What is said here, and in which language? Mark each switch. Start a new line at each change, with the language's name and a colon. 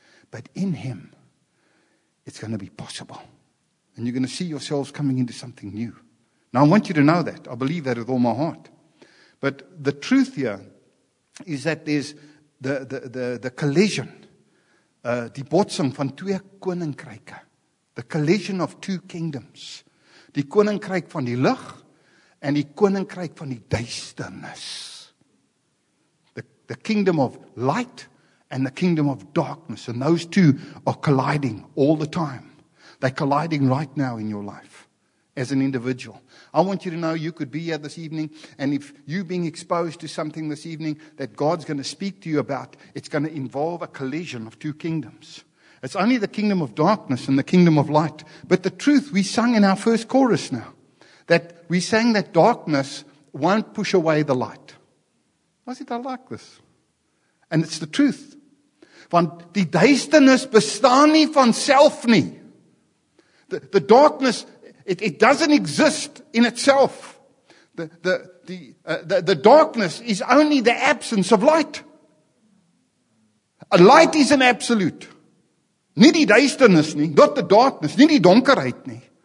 English: But in him, it's going to be possible. And you're going to see yourselves coming into something new. Now, I want you to know that. I believe that with all my heart. But the truth here is that there's the collision.
Afrikaans: Die botsing van twee koninkryke.
English: The collision of two kingdoms.
Afrikaans: Die koninkryk van die lig and die koninkryk van die duisternis.
English: The kingdom of light and the kingdom of darkness. And those two are colliding all the time. They're colliding right now in your life as an individual. I want you to know you could be here this evening, and if you're being exposed to something this evening that God's going to speak to you about, it's going to involve a collision of two kingdoms. It's only the kingdom of darkness and the kingdom of light. But the truth, we sang in our first chorus now, that we sang that darkness won't push away the light. Why is it I like this? And it's the truth.
Afrikaans: Want die duisternis bestaan nie van self nie.
English: The darkness, it doesn't exist in itself. The darkness is only the absence of light. A light is an absolute.
Afrikaans: Nie die duisternis nie,
English: not the darkness,
Afrikaans: nie die donkerheid nie.